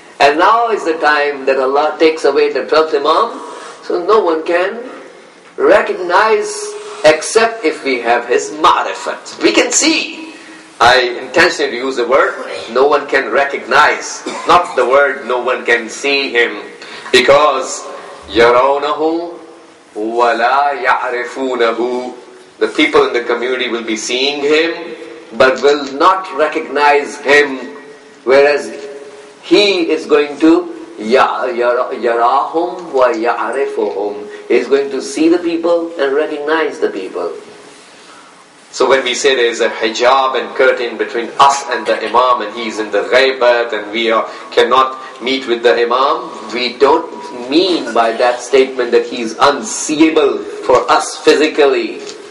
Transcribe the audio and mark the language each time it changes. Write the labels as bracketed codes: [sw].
[en] And now is the time that Allah takes away the 12th Imam. So no one can recognize except if we have his ma'rifat. We can see. I intentionally use the word, no one can recognize. Not the word, no one can see him. Because, [ar] يَرَوْنَهُ وَلَا يَعْرِفُونَهُ. [en] The people in the community will be seeing him, but will not recognize him. Whereas, he is going to, [ar] يَرَاهُمْ وَيَعْرِفُهُمْ. [en] He's going to see the people and recognize the people. So when we say there is a hijab and curtain between us and the imam and he's in the ghaibat and we cannot meet with the imam, we don't mean by that statement that he's unseeable for us physically.